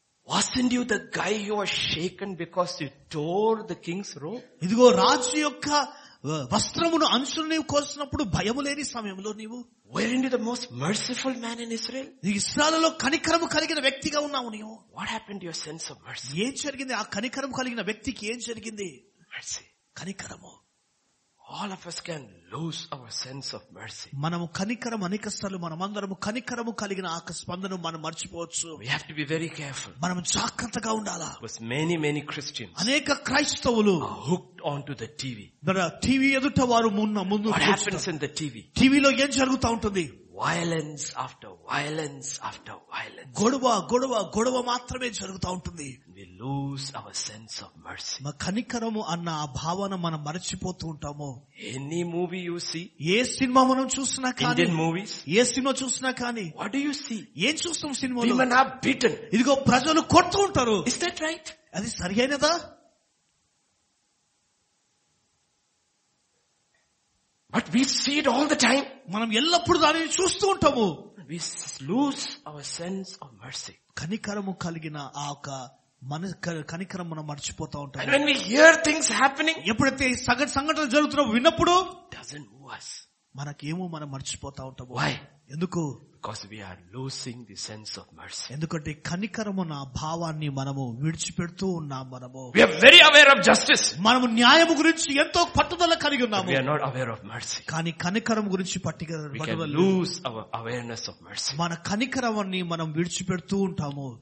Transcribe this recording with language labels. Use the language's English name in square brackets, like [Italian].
[English] Wasn't you the guy who was shaken because you tore the king's robe? [Telugu] ఇదిగో రాజు యొక్క వస్త్రమును అంచులని కోసినప్పుడు భయము లేని సమయంలో నీవు. [English] Weren't you the most merciful man in Israel? [Telugu] ఇశ్రాయేలులో కనికరము కలిగిన వ్యక్తిగా ఉన్నావు నీవు. [English] What happened to your sense of mercy? [Telugu] ఏం జరిగింది ఆ కనికరము కలిగిన వ్యక్తికి? ఏం జరిగింది? [English] Mercy. [Telugu] కనికరము. [English] All of us can lose our sense of mercy. [Telugu] మనము కనికరం అనేకసార్లు మనమందరము కనికరము కలిగిన ఆ స్పందనను మనం మర్చిపోవచ్చు. [English] We have to be very careful. [Telugu] మనం జాగ్రత్తగా ఉండాలి. [English] Because many many Christians, [Telugu] అనేక క్రైస్తవులు [English] hooked onto the TV. [Telugu] మరి టీవీ ఎదుట వారు ముందు [English] what happens in the TV? [Telugu] టీవీలో ఏం జరుగుతూ ఉంటుంది? [English] Violence after violence after violence. [Telugu] గొడవ గొడవ గొడవ మాత్రమే జరుగుతూ ఉంటుంది. [English] We lose our sense of mercy. [Telugu] మా కనికరము అన్న ఆ భావన మనం మరచిపోతూ ఉంటాము. [English] any movie you see, [Telugu] ఏ cinema మనం చూస్తున్నా కానీ, [English] Indian movies, [Telugu] ఏ సినిమా చూస్తున్నా కానీ, [English] what do you see, [Telugu] ఏం చూస్తాం సినిమాలో? [English] Women are beaten. [Telugu] ఇదిగో ప్రజలు కొడుతూ ఉంటారు. [English] Is that right? [Telugu] అది సరియైనదా? [English] But we see it all the time. [Telugu] మనం ఎల్లప్పుడు దానిని చూస్తూ ఉంటాము. [English] We lose our sense of mercy. [Telugu] కనికరము కలిగిన ఆ ఒక మన కనికరం మనం మర్చిపోతూ ఉంటాము. [English] When we hear things happening, [Telugu] ఎప్పుడైతే సంఘటనలు జరుగుతున్నప్పుడు విన్నప్పుడు, [English] doesn't move us. [Telugu] మనకేమో మనం మర్చిపోతూ ఉంటాము. [English] Why? [Telugu] ఎందుకు? [English] Because we are losing the sense of mercy. [Telugu] ఎందుకంటే కనికరము నా భావాన్ని మనము విడిచిపెడుతూ ఉన్నాం. మనము [English] we are very aware of justice. [Telugu] మనము న్యాయం గురించి ఎంతో పట్టుదల కలిగి ఉన్నాము. [English] We are not aware of mercy. [Telugu] కానీ కనికరం గురించి పట్టుదల. [English] We can lose our awareness of mercy. [Telugu] మన కనికరాన్ని మనం విడిచిపెడుతూ ఉంటాము.